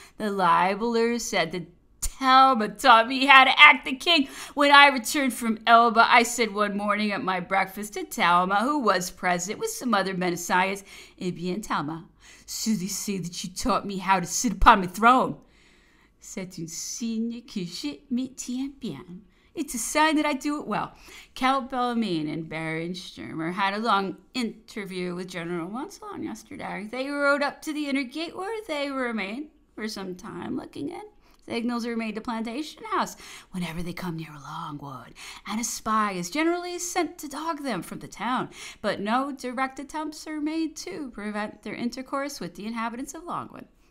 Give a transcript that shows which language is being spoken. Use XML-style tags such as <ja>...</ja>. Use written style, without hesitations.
<en>The libeler said that Thelma taught me how to act the king. When I returned from Elba, I said one morning at my breakfast to Thelma, who was present with some other men of science,</en> <fr>"Eh bien,</fr> <en>Thelma, so they say that you taught me how to sit upon my throne."</en> <fr>C'est un signe que je me tiens bien.</fr> <en>It's a sign that I do it well. Count Bellarmine and Baron Sturmer had a long interview with General Montholon yesterday. They rode up to the inner gate where they remained for some time looking in. Signals are made to Plantation House whenever they come near Longwood, and a spy is generally sent to dog them from the town, but no direct attempts are made to prevent their intercourse with the inhabitants of Longwood.</en>